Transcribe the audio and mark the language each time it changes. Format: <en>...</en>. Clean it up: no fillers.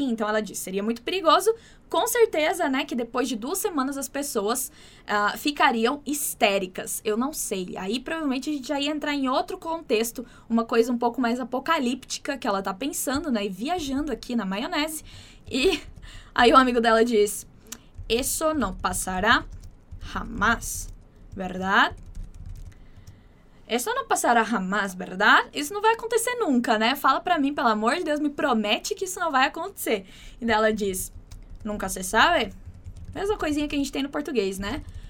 <pt>Então, ela disse, seria muito perigoso. Com certeza, né, que depois de duas semanas as pessoas ficariam histéricas. Eu não sei. Aí, provavelmente, a gente já ia entrar em outro contexto, uma coisa um pouco mais apocalíptica que ela tá pensando, né, e viajando aqui na maionese. E aí o amigo dela diz,</pt> <es>eso no pasará jamás, ¿verdad? Eso no pasará jamás, ¿verdad?</es> <pt>Isso não vai acontecer nunca, né? Fala pra mim, pelo amor de Deus, me promete que isso não vai acontecer. E daí ela diz, nunca se sabe. Mesma coisinha que a gente tem no português, né?</pt>